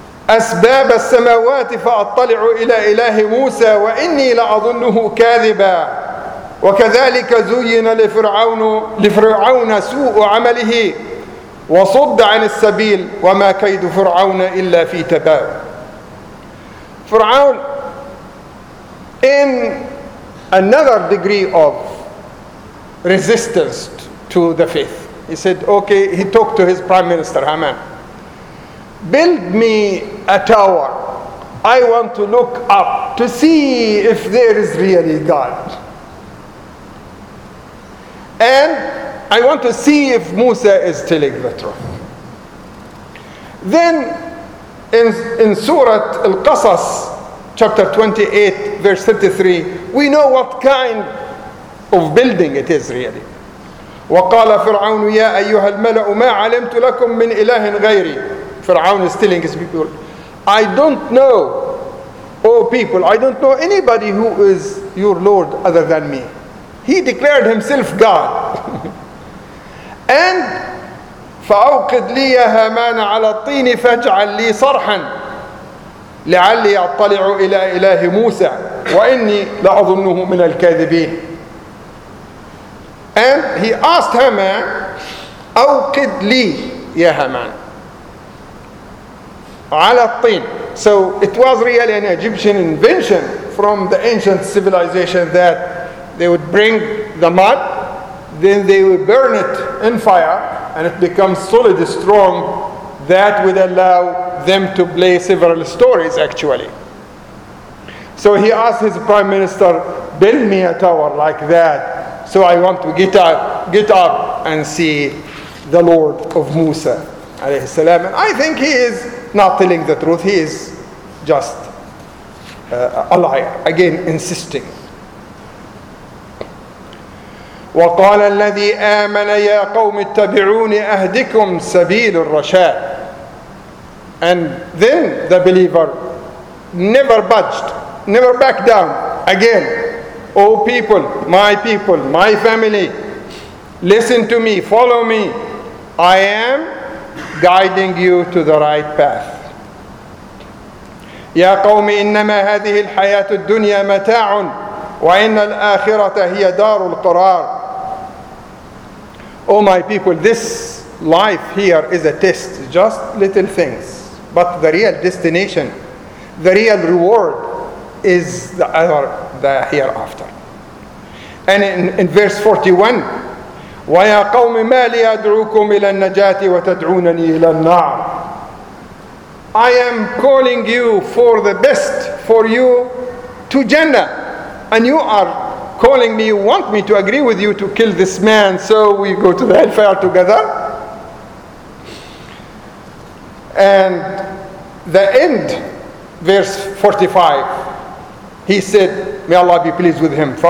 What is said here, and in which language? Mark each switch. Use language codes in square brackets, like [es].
[ar] أسباب السماوات فأطلع إلى إله موسى وإني لأظنه كاذبا وكذلك زين لفرعون سوء عمله وصد عن السبيل وما كيد فرعون إلا في تباب. [en] Fir'aun, in another degree of resistance to the faith, he said, okay, he talked to his prime minister, Haman, build me a tower. I want to look up to see if there is really God. And I want to see if Musa is telling the truth. Then in Surah Al-Qasas, chapter 28, verse 33, we know what kind of building it is really. [ar] وَقَالَ فِرْعَوْنُ يَا أَيُّهَا الْمَلَأُ مَا عَلِمْتُ لَكُمْ مِنْ إِلَهٍ غَيْرِي. [en] Fir'aun is telling his people, I don't know, oh people, I don't know anybody who is your Lord other than me. He declared himself God. And [ar] فَأَوْقِدْ لِي يَا هَامَانَ عَلَى الطِّينِ فَاجْعَلْ لِي صَرْحًا لعلي أطلع إلى إله موسى وإني لأظنه من الكاذبين. [en] And he asked Haman, [ar] أوقد لي يا هامان على الطين. [en] So it was really an Egyptian invention from the ancient civilization that they would bring the mud, then they would burn it in fire, and it becomes solid, strong. That would allow them to play several stories, actually. So he asked his prime minister, build me a tower like that, so I want to get up and see the Lord of Musa, alayhi salam. And I think he is not telling the truth. He is just a liar, again insisting. [ar] وقال الذي آمن يا قوم اتبعوني أهدكم سبيل الرشاد. [en] And then the believer never budged, never backed down. Again, O people, my family, listen to me, follow me. I am guiding you to the right path. [ar] يا قوم إنما هذه الحياة الدنيا متاع وإن الآخرة هي دار القرار. [en] Oh my people, this life here is a test, just little things. But the real destination, the real reward is the other, the hereafter. And in verse 41, [ar] وَيَا قَوْمِ مَا لِيَدْعُوكُمْ إِلَى النَّجَاةِ وَتَدْعُونَنِي إِلَى النَّارِ. [en] I am calling you for the best for you to Jannah, and you are calling me, you want me to agree with you to kill this man, so we go to the hellfire together. And the end, verse 45, he said, may Allah be pleased with him.